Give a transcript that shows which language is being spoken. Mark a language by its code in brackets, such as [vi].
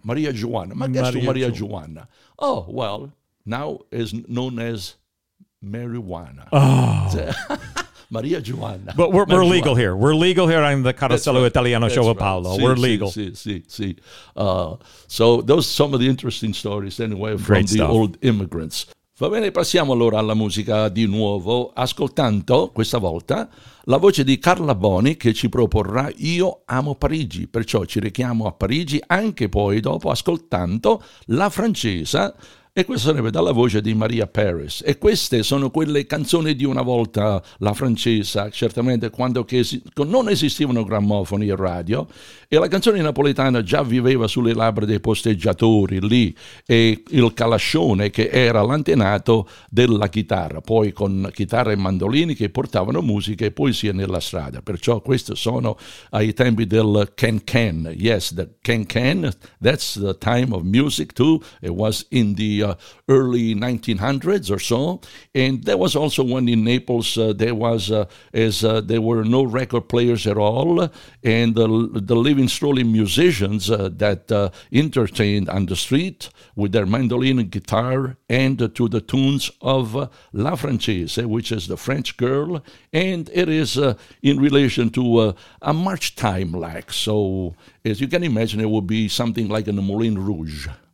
[en] Maria Joana. Oh, well, now is known as marijuana. Oh. Maria Joana. But we're legal here. We're legal here on the Carosello Italiano Show with Paolo. We're legal. See. So those are some of the interesting stories, anyway, from the old immigrants. [it] Va bene, passiamo allora alla musica di nuovo, ascoltando questa volta la voce di Carla Boni che ci proporrà Io amo Parigi, perciò ci richiamo a Parigi anche poi dopo ascoltando La Francesa, e questa sarebbe dalla voce di Maria Paris. E queste sono quelle canzoni di una volta, La Francesa, certamente quando che non esistevano grammofoni e radio, e la canzone napoletana già viveva sulle labbra dei posteggiatori lì, e il calascione che era l'antenato della chitarra, poi con chitarra e mandolini che portavano musica e poesia nella strada. Perciò queste sono ai tempi del can-can. [en] Yes, the can-can, that's the time of music too. It was in the early 1900s or so, and there was also one in Naples. There were no record players at all, and the living strolling musicians that entertained on the street with their mandolin and guitar, and to the tunes of La Francese, which is the French girl, and it is in relation to a march time, like, so as you can imagine, it would be something like in the Moulin Rouge.